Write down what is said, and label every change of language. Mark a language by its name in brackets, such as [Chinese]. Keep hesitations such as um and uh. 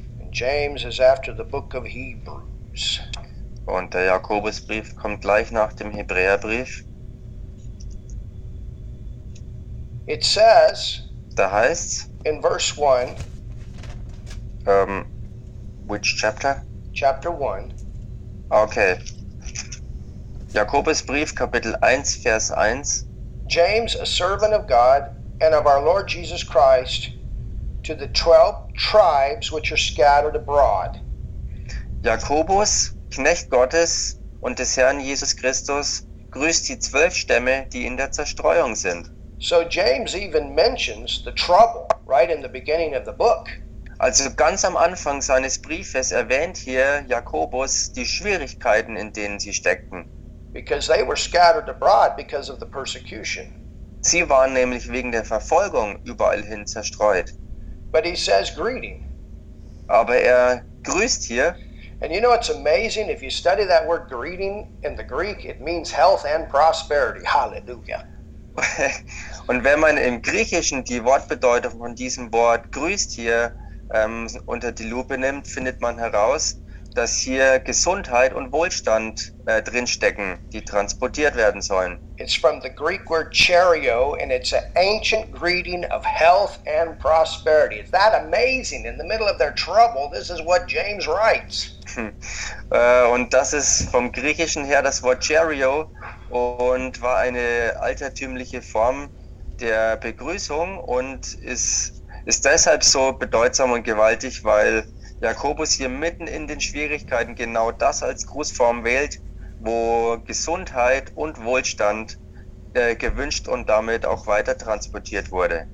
[English] James is after the book of Hebrews. [German] Und der Jakobusbrief kommt gleich nach dem Hebräerbrief. [English] It says, [German] The heißt [English] in verse 1, um, which chapter? Chapter 1. [German] Okay. Jakobusbrief Kapitel 1 Vers 1. [English] James, a servant of God and of our Lord Jesus Christ, to the twelve tribes which are scattered abroad. [German] Jakobus, Knecht Gottes und des Herrn Jesus Christus, grüßt die zwölf Stämme, die in der Zerstreuung sind. [English] So James even mentions the trouble right in the beginning of the book. [German] Also ganz am Anfang seines Briefes erwähnt hier Jakobus die Schwierigkeiten, in denen sie steckten [English] because they were scattered abroad because of the persecution. [German] Sie waren nämlich wegen der Verfolgung überall hin zerstreut. But he says greeting. Aber er grüßt hier. [English] And you know it's amazing if you study that word greeting in the Greek, it means health and prosperity. Hallelujah. [German] und wenn man im Griechischen die Wortbedeutung von diesem Wort grüßt hier ähm, um, unter die Lupe nimmt, findet man heraus, dass hier Gesundheit und Wohlstand äh, drinstecken, die transportiert werden sollen. [English] It's from the Greek word chario and it's an ancient greeting of health and prosperity. Is that amazing? In the middle of their trouble, this is what James writes. [German] und das ist vom Griechischen her das Wort chario und war eine altertümliche Form der Begrüßung und ist, ist deshalb so bedeutsam und gewaltig, weil Jakobus hier mitten in den Schwierigkeiten genau das als Grußform wählt, wo Gesundheit und Wohlstand äh, gewünscht und damit auch weiter transportiert wurde.